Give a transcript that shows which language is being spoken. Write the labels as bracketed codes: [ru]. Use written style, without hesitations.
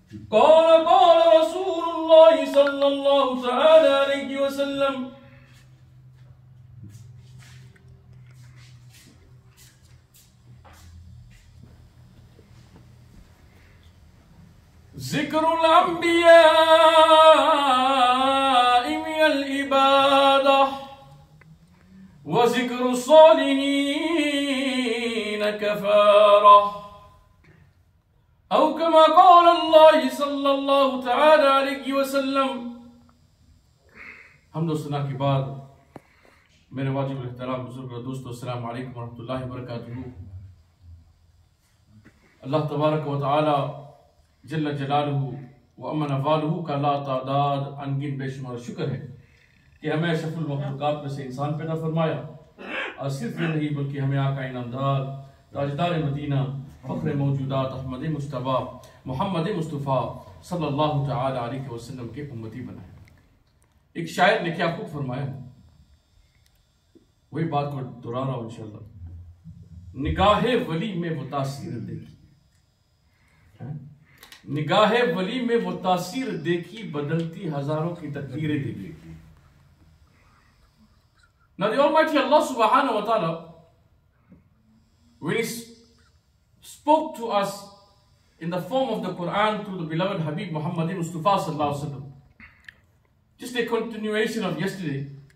[ar] قال رسول الله صلى الله تعالى عليه وسلم: ذكر الأنبياء من العبادة وذكر الصالحين كفارة. أو كما قال الله صلى الله تعالى عليه وسلم. [ur] حمد و ثنا کے بعد میرے واجب احترام بزرگ اور دوستو السلام علیکم ورحمۃ اللہ وبرکاتہ. اللہ تبارک و تعالی جل جلالہ و امن والہ کا لا تعداد ان گن بے شمار شکر ہے کہ ہمیں اشرف المخلوقات میں سے انسان پیدا فرمایا، اور صرف نہیں بلکہ ہمیں آقا انعامدار تاجدار مدینہ فخر موجودات احمد مصطفیٰ محمد مصطفیٰ صلی اللہ تعالی علیہ وسلم کے امتی بنائے. ایک شاعر نے کیا خوب فرمایا، وہی بات کو دہرا رہا ہوں انشاءاللہ. نگاہ ولی میں وہ تاثیر دیکھی، نگاہ ولی میں وہ تاثیر دیکھی، بدلتی ہزاروں کی تقدیریں دیکھی. [en] Now the Almighty Allah subhanahu wa ta'ala, when He spoke to us in the form of the Quran through the beloved Habib Muhammad Mustafa sallallahu alayhi wa sallam, just a continuation of yesterday,